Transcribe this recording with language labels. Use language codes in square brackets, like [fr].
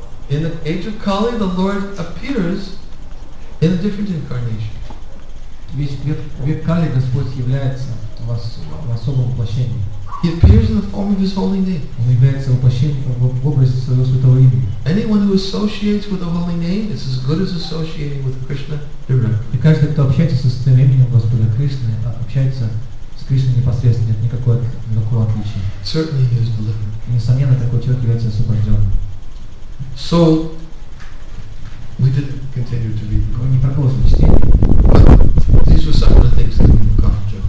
[en] In the age of Kali, the Lord appears in a different incarnation. [ru] Весь Кали Господь является в особом воплощении. [en] He appears in the form of his holy name. [ru] Он является воплощением в образе своего святого имени. [en] Anyone who associates with the holy name is as good as associating with Krishna directly. [ru] И каждый, кто общается со святым именем Господа Кришны, общается с Кришной непосредственно, нет никакого отличия. [en] Certainly he is delivered. [ru] Несомненно, такой человек является освобожденным. [en] So we didn't continue to read. [ru] Мы не продолжили чтение. [en] These were some of the things that we were covering.